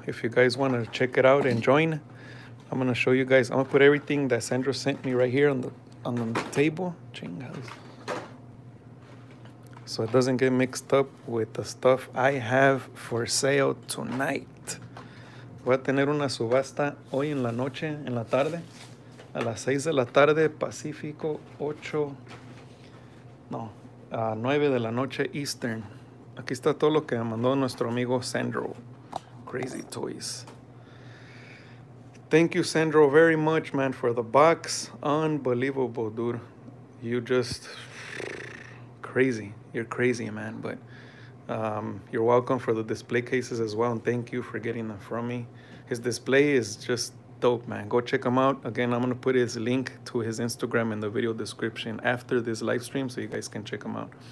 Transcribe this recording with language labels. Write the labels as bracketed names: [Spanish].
[English] If you guys wanna check it out and join, I'm gonna show you guys. I'm gonna put everything that Sandro sent me right here on the table. Chingas. So it doesn't get mixed up with the stuff I have for sale tonight. [Spanish] Voy a tener una subasta hoy en la noche, en la tarde. A las 6 de la tarde, Pacífico, 8, no, a 9 de la noche, Eastern. Aquí está todo lo que mandó nuestro amigo Sandro, krazytoyz. [English] Thank you, Sandro, very much, man, for the box. Unbelievable, dude. You just crazy. You're crazy, man, but you're welcome for the display cases as well, and thank you for getting them from me. His display is just dope, man. Go check him out. Again, I'm going to put his link to his Instagram in the video description after this live stream so you guys can check him out.